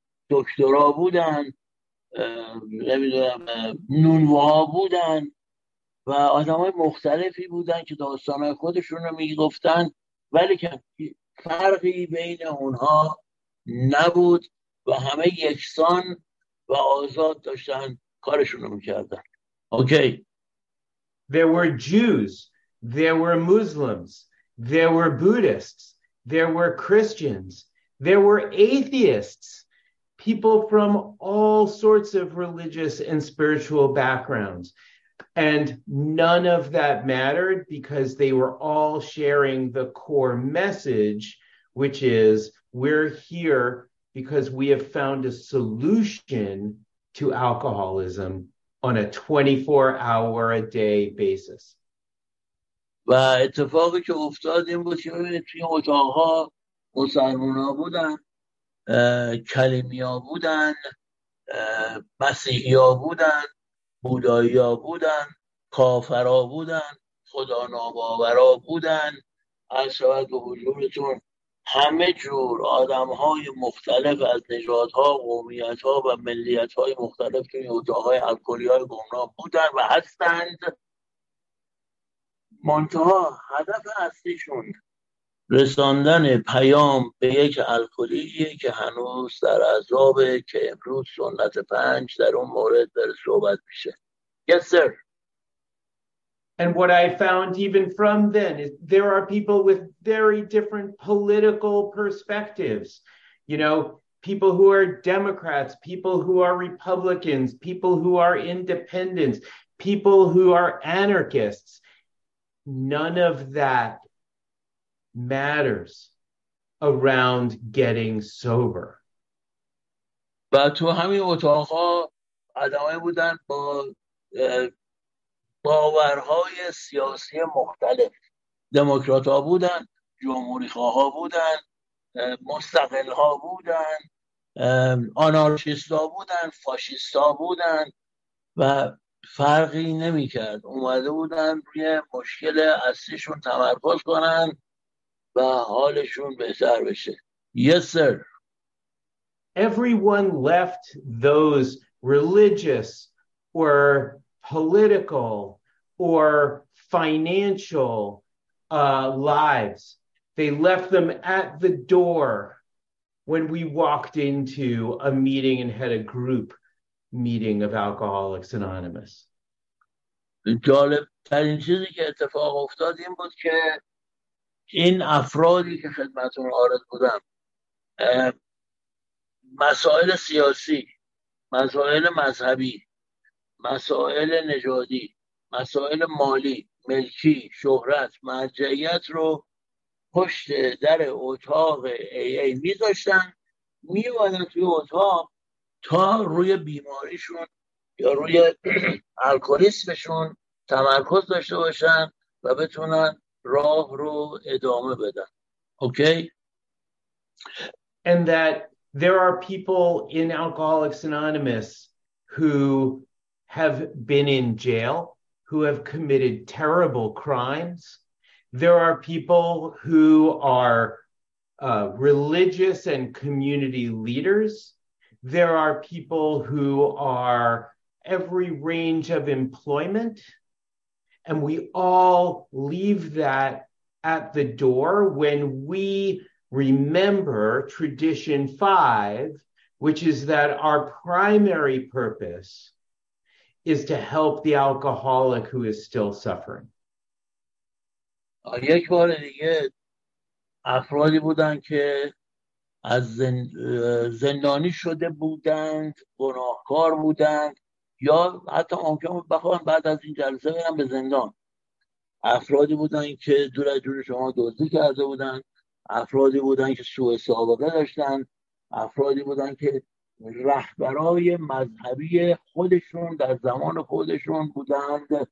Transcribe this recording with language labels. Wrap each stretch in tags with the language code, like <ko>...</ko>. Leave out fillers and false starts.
<fa>دکترا بودن، نمیدونم نونوا بودن و آدم های مختلفی بودن که داستان های خودشون رو میگفتن ولی که فرقی بین اونها نبود و همه یکسان و آزاد داشتن کارشون رو میکردن.</fa> <en>Okay. There were Jews, there were Muslims, there were Buddhists, there were Christians, there were atheists, people from all sorts of religious and spiritual backgrounds. And none of that mattered because they were all sharing the core message, which is we're here because we have found a solution to alcoholism on a 24-hour-a-day basis.</en> <fa>و اتفاقی که افتاد این بود که توی اتاقها مسلمان ها بودن، کلمی ها بودن، مسیحی ها بودن، بودایی ها بودن، کافر ها بودن، خدا ناباور ها بودن، از شبت به حضورتون همه جور آدم های مختلف از نژادها، قومیتها و ملیتهای مختلف توی اتاقهای الکلی های گمراه بودن و هستند. منتها هدف اصلیشون رساندن پیام به یک الکلیه که هنوز در عذابه که امروز سنت پنج در اون مورد در صحبت میشه.</fa> <en>Yes, sir. And what I found even from then is there are people with very different political perspectives. You know, people who are Democrats, people who are Republicans, people who are independents, people who are anarchists. None of that matters around getting sober. But to</en> <fa>همین اتاقها آدمایی بودن با باورهای سیاسی مختلف، دموکرات ها بودن، جمهوری خواه ها بودن، مستقل ها بودن، آنارشیست ها بودن، فاشیست ها بودن و فرقی نمیکرد. اومده بودن روی مشکل اصلیشون تمرکز کنن و حالشون بهتر بشه. Yes, sir. Everyone left those religious or political or financial lives. They left them at the door when we walked into a meeting and had a group meeting of Alcoholics Anonymous. جالب ترین چیزی که اتفاق افتاد این بود که این افرادی که خدمتون عارض بودن مسائل سیاسی، مسائل مذهبی، مسائل نژادی، مسائل مالی، ملکی، شهرت، مرجعیت رو پشت در اتاق AA میذاشتن، میوادن توی اتاق تا روی بیماریشون یا روی الکلیسمشون تمرکز داشته باشن و بتونن راه رو ادامه بدن.</fa> <en>Okay? And that there are people in Alcoholics Anonymous who have been in jail, who have committed terrible crimes. There are people who are religious and community leaders. There are people who are every range of employment. And we all leave that at the door when we remember tradition five, which is that our primary purpose is to help the alcoholic who is still suffering.</en> <fa>یک بار دیگه افرادی بودند که از زندانی شده بودند، گناهکار بودند، یا حتی ممکن بود بخواهم بعد از این جلسه برم به زندان. افرادی بودند که دور از جون شما دزدی کرده بودند، افرادی بودند که سوء سابقه داشتند، افرادی بودند که رهبرای مذهبی خودشون در زمان خودشون بودند،</fa>